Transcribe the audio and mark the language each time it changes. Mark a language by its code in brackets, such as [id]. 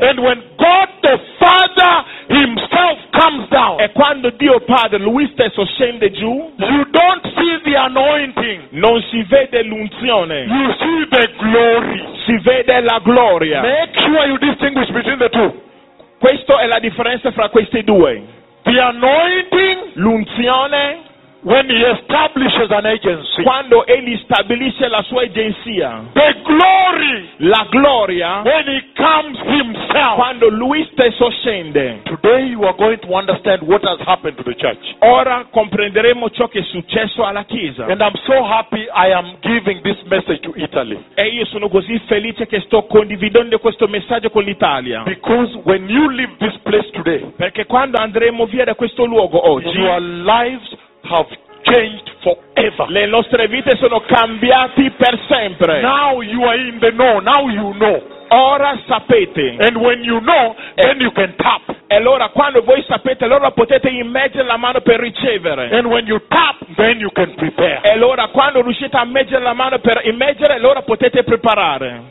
[en] And when God the Father himself comes down. [it] E quando Dio Padre lui stesso scende giù. [en] You don't see the anointing. [it] Non si vede l'unzione. [en] You see the glory. [it] Si vede la gloria. [en] Make sure you distinguish between the two. [it] Questo è la differenza fra questi due. [en] The anointing, [it] l'unzione, [en] when he establishes an agency, [it] quando egli stabilisce la sua agenzia, [en] the glory, [it] la gloria, [en] when he comes himself, [it] quando lui stesso scende. [en] Today you are going to understand what has happened to the church. [it] Ora comprenderemo ciò che è successo alla chiesa. [en] And I'm so happy I am giving this message to Italy. [it] E io sono così felice che sto condividendo questo messaggio con l'Italia. [en] Because when you leave this place today, [it] perché quando andremo via da questo luogo oggi, [en] your lives have changed forever. [it] Le nostre vite sono cambiati per sempre. [en] Now you are in the know. Now you know. [it] Ora sapete. [en] And when you know, then you can tap. [it] E allora quando voi sapete, allora potete immergere la mano per ricevere. [en] And when you tap, then you can prepare. [it] E allora quando riuscite a immergere la mano per immergere, allora potete preparare.